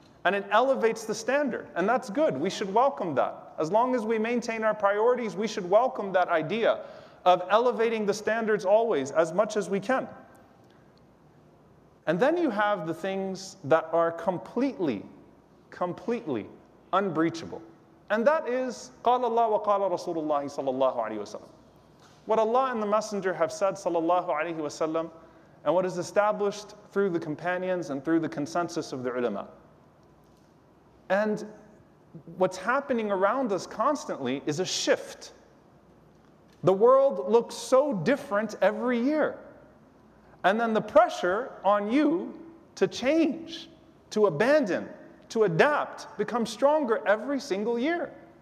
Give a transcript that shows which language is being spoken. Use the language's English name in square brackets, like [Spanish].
[English] And it elevates the standard. And that's good. We should welcome that. As long as we maintain our priorities, we should welcome that idea of elevating the standards always as much as we can. And then you have the things that are completely, completely unbreachable. And that is [Arabic] قال الله وقال رسول الله صلى الله عليه وسلم. [English] What Allah and the Messenger have said [Arabic] صلى الله عليه وسلم, [English] and what is established through the companions and through the consensus of the ulama. And what's happening around us constantly is a shift. The world looks so different every year. And then the pressure on you to change, to abandon, to adapt becomes stronger every single year.